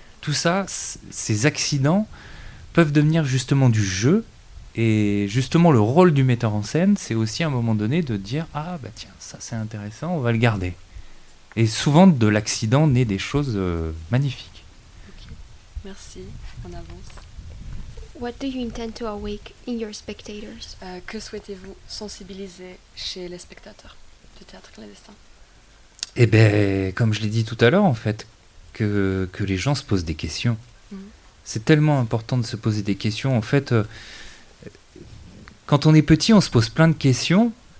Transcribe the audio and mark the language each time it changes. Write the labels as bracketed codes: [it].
[fr] Tout ça, ces accidents peuvent devenir justement du jeu. Et justement, le rôle du metteur en scène, c'est aussi à un moment donné de dire « Ah, bah tiens, ça c'est intéressant, on va le garder. » Et souvent, de l'accident naît des choses magnifiques. Okay. Merci, en avance. [en] What do you intend to awake in your spectators? [fr] Que souhaitez-vous sensibiliser chez les spectateurs du théâtre clandestin? Eh bien, comme je l'ai dit tout à l'heure, en fait, que les gens se posent des questions. Mm-hmm. C'est tellement important de se poser des questions. En fait, quand on est petit, on se pose plein de questions.